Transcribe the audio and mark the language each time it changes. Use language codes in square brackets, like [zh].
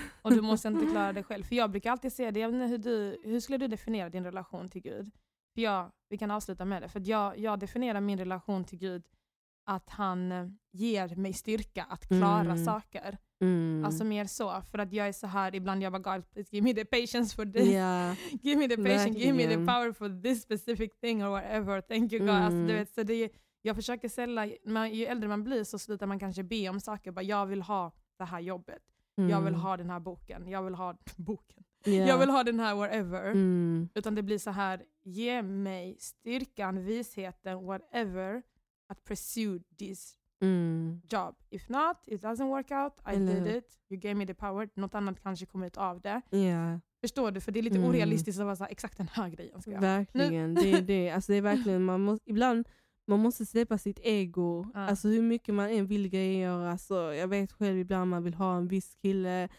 [sv] Och du måste inte klara det själv. För jag brukar alltid säga det. Hur skulle du definiera din relation till Gud? För jag, vi kan avsluta med det. För jag definierar min relation till Gud att han ger mig styrka att klara saker. Mm. Alltså mer så. För att jag är så här, ibland jag bara, [en] God, give me the patience for this. Yeah. Give me the patience, give me the power for this specific thing or whatever. Thank you God. [sv] Alltså, du vet, så det, jag försöker sälja, men ju äldre man blir så slutar man kanske be om saker. Bara, jag vill ha det här jobbet. Mm. Jag vill ha den här boken. Jag vill ha boken. [en] Yeah. [sv] Jag vill ha den här whatever. Mm. Utan det blir så här, ge mig styrkan, visheten, whatever, att [en] pursue this job. If not, it doesn't work out, I did it. You gave me the power. [sv] Något annat kanske kommer ut av det. [en] Yeah. [sv] Förstår du? För det är lite orealistiskt att vara så här, exakt den här grejen ska jag. Verkligen. Nu. Det, alltså det är verkligen, man måste, ibland man måste släppa sitt ego. Ja. Alltså hur mycket man än vill grejer. Alltså, jag vet själv ibland man vill ha en viss kille.